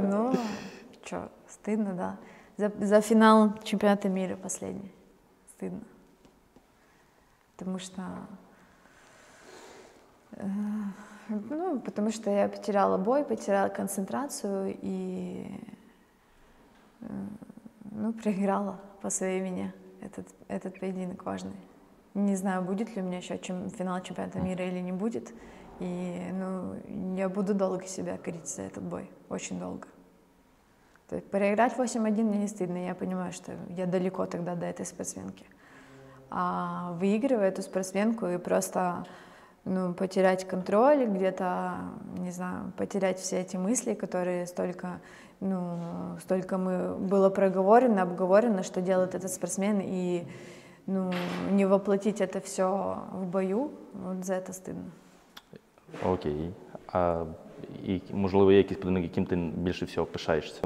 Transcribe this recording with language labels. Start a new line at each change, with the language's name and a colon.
Ukrainian: Ну, що, стидно, да. За фінал чемпіонату світу останній. Стидно.
Russian: потому что, ну, потому что я потеряла бой, потеряла концентрацию и, ну, проиграла по своей вине этот поединок важный. Не знаю, будет ли у меня еще финал чемпионата мира или не будет. И, ну, я буду долго себя корить за этот бой, очень долго. То есть проиграть 8-1 мне не стыдно, я понимаю, что я далеко тогда до этой спортсменки. А выигрывая эту спортсменку и просто, ну, потерять контроль, где-то, не знаю, потерять все эти мысли, которые столько, ну, столько мы было проговорено, обговорено, что делает этот спортсмен, и, ну, не воплотить это все в бою, вот за это стыдно. Окей.
Ukrainian: А, і, можливо, є якісь поєдинки, яким ти більше всього пишаєшся?